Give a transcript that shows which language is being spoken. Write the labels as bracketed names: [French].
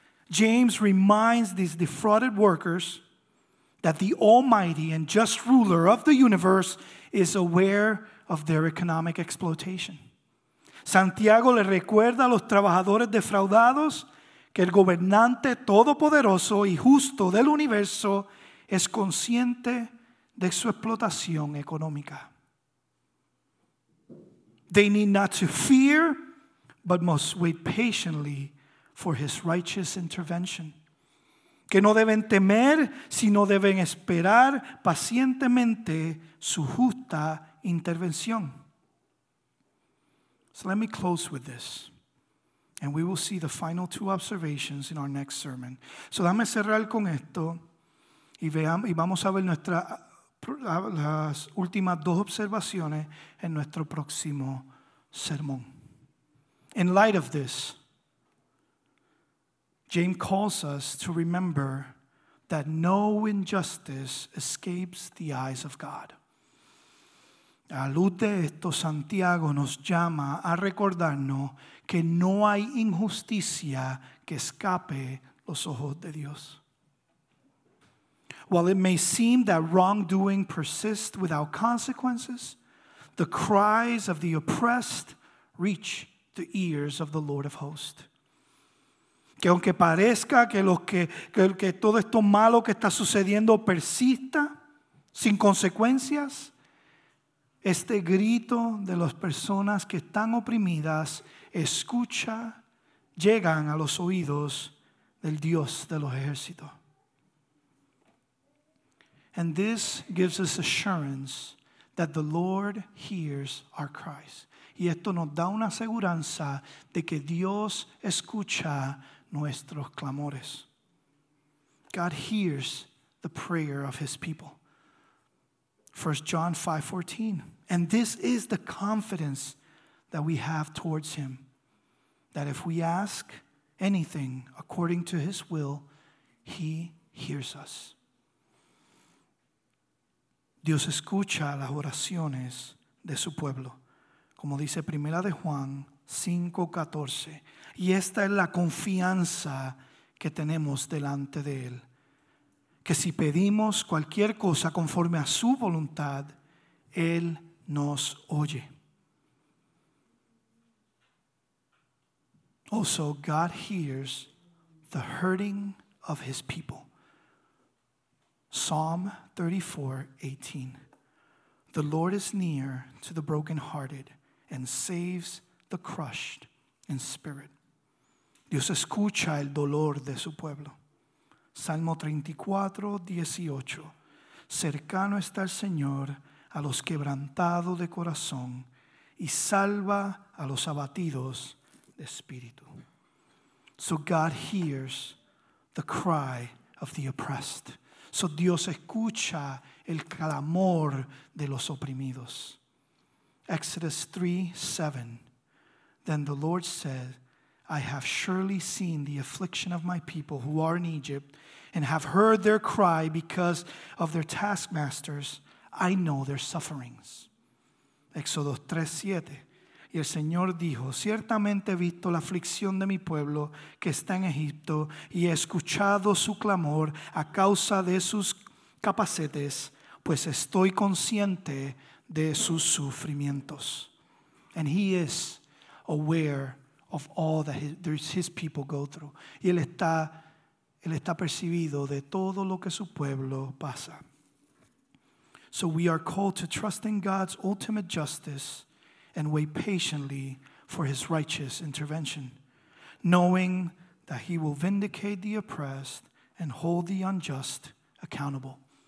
[English] James reminds these defrauded workers that the almighty and just ruler of the universe is aware of their economic exploitation. [Spanish] Santiago le recuerda a los trabajadores defraudados que el gobernante todopoderoso y justo del universo es consciente de su explotación económica. [English] They need not to fear, but must wait patiently for his righteous intervention. [Spanish] Que no deben temer, sino deben esperar pacientemente su justa intervención. [English] So let me close with this, and we will see the final two observations in our next sermon. [Spanish] So dame cerrar con esto, y vamos a ver las últimas dos observaciones en nuestro próximo sermón. [English] In light of this, James calls us to remember that no injustice escapes the eyes of God. [Spanish] A luz de esto, Santiago nos llama a recordarnos que no hay injusticia que escape los ojos de Dios. [English] While it may seem that wrongdoing persists without consequences, the cries of the oppressed reach the ears of the Lord of hosts. [Spanish] Que aunque parezca que todo esto malo que está sucediendo persista sin consecuencias, este grito de las personas que están oprimidas escucha, llegan a los oídos del Dios de los ejércitos. [English] And this gives us assurance that the Lord hears our cries. [Spanish] Y esto nos da una aseguranza de que Dios escucha nuestros clamores. [English] God hears the prayer of his people. 1 John 5:14. And this is the confidence that we have towards him, that if we ask anything according to his will, he hears us. [Spanish] Dios escucha las oraciones de su pueblo, como dice 1 Juan 5:14. Y esta es la confianza que tenemos delante de él, que si pedimos cualquier cosa conforme a su voluntad, él nos oye. [English] Also, God hears the hurting of his people. Psalm 34:18. The Lord is near to the brokenhearted and saves the crushed in spirit. [Spanish] Dios escucha el dolor de su pueblo. Salmo 34:18. Cercano está el Señor a los quebrantados de corazón y salva a los abatidos de espíritu. [English] So God hears the cry of the oppressed. [Spanish] So Dios escucha el clamor de los oprimidos. [English] Exodus 3:7. Then the Lord said, I have surely seen the affliction of my people who are in Egypt and have heard their cry because of their taskmasters. I know their sufferings. Exodus 3:7. [Spanish] Y el Señor dijo, ciertamente he visto la aflicción de mi pueblo que está en Egipto y he escuchado su clamor a causa de sus capacetes, pues estoy consciente de sus sufrimientos. [English] And he is aware of all that his people go through. [Spanish] Y él está percibido de todo lo que su pueblo pasa. [English] So we are called to trust in God's ultimate justice and wait patiently for his righteous intervention, knowing that he will vindicate the oppressed and hold the unjust accountable.